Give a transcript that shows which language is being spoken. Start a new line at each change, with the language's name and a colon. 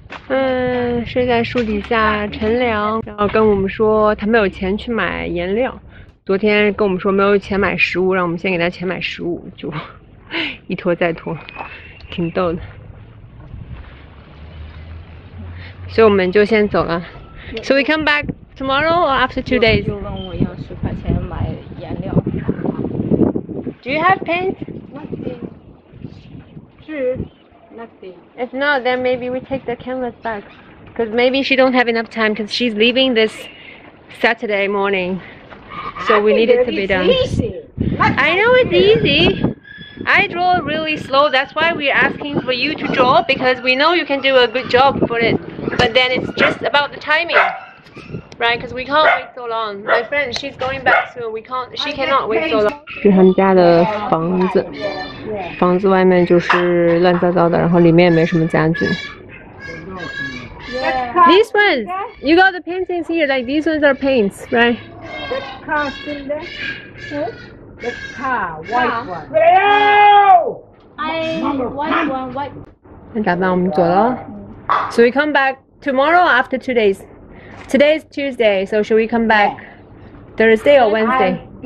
Chinese: 嗯，睡在树底下乘凉，然后跟我们说他没有钱去买颜料，昨天跟我们说没有钱买食物，让我们先给他钱买食物，就一拖再拖，挺逗的。所以我们就先走了。
English: So we come back tomorrow or after 2 days?
Chinese: 就问我要十块钱买颜料。
English: Do you have paint? Nothing. Sure. Nothing. If not, then maybe we take the canvas back. Because maybe she don't have enough time because she's leaving this Saturday morning. So we need it to be done. Easy. I know it's easy. I draw really slow. That's why we're asking for you to draw because we know you can do a good job for it. But then it's just about the timing. Right? Because we can't wait so long. My friend, she's going back soon. She cannot wait so long.
Chinese: 是他们家的房子。房子外面就是乱糟糟的，然后里面也没什么家具。
English: These ones, you got the paintings here. Like these ones are paints, right? That car, see that? That car, white one. White one.
Chinese: 打扮，我们走了。
English: So we come back tomorrow after 2 days. Today is Tuesday, so should we come back Thursday or Wednesday?